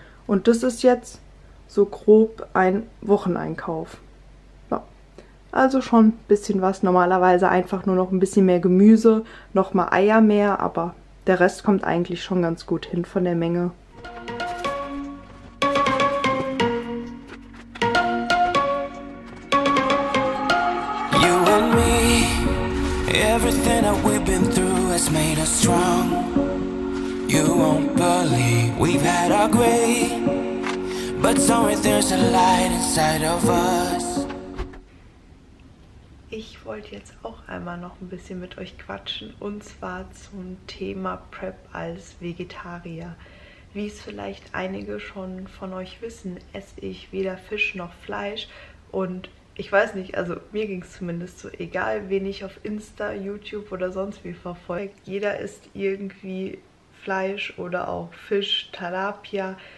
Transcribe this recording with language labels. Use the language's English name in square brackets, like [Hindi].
[German] Und das ist jetzt so grob ein Wocheneinkauf. Ja. Also schon ein bisschen was. Normalerweise einfach nur noch ein bisschen mehr Gemüse, nochmal Eier mehr, aber der Rest kommt eigentlich schon ganz gut hin von der Menge. [English] You and me, everything that we've been through has made us strong. You won't believe we've had our great. But somewhere there's a light inside of us. [German] Ich wollte jetzt auch einmal noch ein bisschen mit euch quatschen und zwar zum Thema Prep als Vegetarier. Wie es vielleicht einige schon von euch wissen, esse ich weder Fisch noch Fleisch und ich weiß nicht, also mir ging es zumindest so, egal wen ich auf Insta, YouTube oder sonst wie verfolge, jeder isst irgendwie Fleisch oder auch Fisch, Tilapia.